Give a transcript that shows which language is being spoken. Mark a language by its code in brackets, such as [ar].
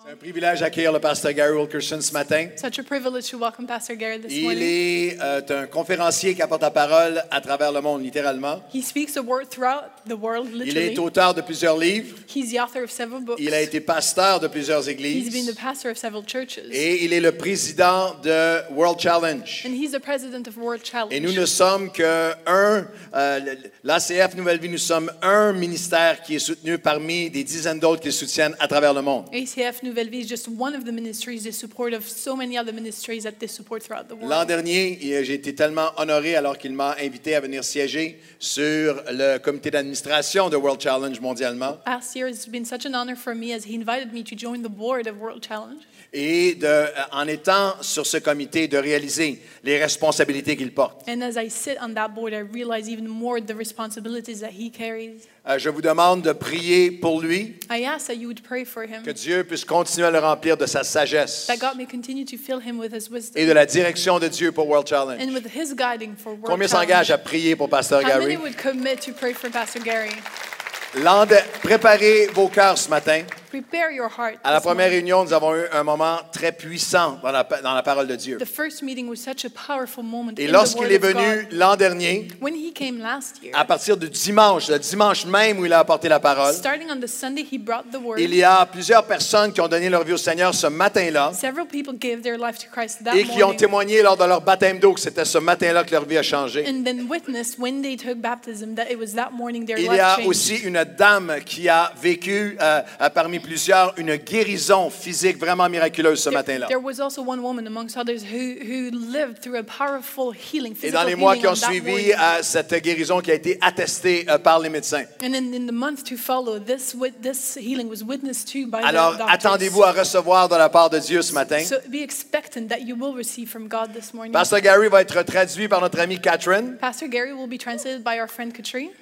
[fr] Un privilège d'accueillir le pasteur Gary Wilkerson ce matin. [en] Such a privilege to welcome Pastor Gary this morning. [fr] Il est un conférencier qui apporte la parole à travers le monde, littéralement. [en] He speaks a word throughout the world, literally. [fr] Il est auteur de plusieurs livres. [en] He's the author of several books. [fr] Il a été pasteur de plusieurs églises. [en] He's been the pastor of several churches. [fr] Et il est le président de World Challenge. [en] And he's the president of World Challenge. [fr] Et nous ne sommes que un, l'ACF Nouvelle Vie, nous sommes un ministère qui est soutenu parmi des dizaines d'autres qui le soutiennent à travers le monde. [en] ACF Nouvelle Vie is just one of the ministries, the support of so many other ministries that they support throughout the world. [fr] L'an dernier, j'ai été tellement honoré alors qu'il m'a invité à venir siéger sur le comité d'administration de World Challenge mondialement. [en] Last year it's been such an honor for me as he invited me to join the board of World Challenge. [fr] Et de, en étant sur ce comité, de réaliser les responsabilités qu'il porte. [en] And as I sit on that board, I realize even more the responsibilities that he carries. [fr] Je vous demande de prier pour lui. [en] I ask that you would pray for him. [fr] Que Dieu puisse continuer à le remplir de sa sagesse. [en] That God may continue to fill him with his wisdom. [fr] Et de la direction de Dieu pour World Challenge. [en] And with his guiding for World [fr] Combien [en] Challenge. [fr] S'engage à prier pour Pasteur [en] How [fr] Gary? [en] How many would commit to pray for Pastor Gary? [fr] Préparez vos cœurs ce matin. [en] Prepare your heart. [fr] À la première réunion, nous avons eu un moment très puissant dans la parole de Dieu. [en] The first meeting was such a powerful moment. [fr] Et lorsqu'il est venu l'an dernier, [en] when he came last year, [fr] à partir du dimanche, le dimanche même où il a apporté la parole, [en] starting on the Sunday he brought the word, [fr] il y a plusieurs personnes qui ont donné leur vie au Seigneur ce matin-là. [en] Several people gave their life to Christ that morning. [fr] Et qui ont témoigné lors de leur baptême d'eau que c'était ce matin-là que leur vie a changé. [en] And then witnessed when they took baptism that it was that morning their life changed. [fr] Il y a aussi une dame qui a vécu parmi plusieurs, une guérison physique vraiment miraculeuse ce matin-là. [en] There was also one woman amongst others who lived through a powerful healing, physical healing. [fr] Et dans les mois qui ont suivi à cette guérison qui a été attestée par les médecins. [en] And in the month to follow, this healing was witnessed to by the doctors. [fr] Alors, attendez-vous à recevoir de la part de Dieu ce matin. [en] So be expectant that you will receive from God this morning. [fr] Pastor Gary va être traduit par notre amie Catherine. [en] Pastor Gary will be translated by our friend Catherine.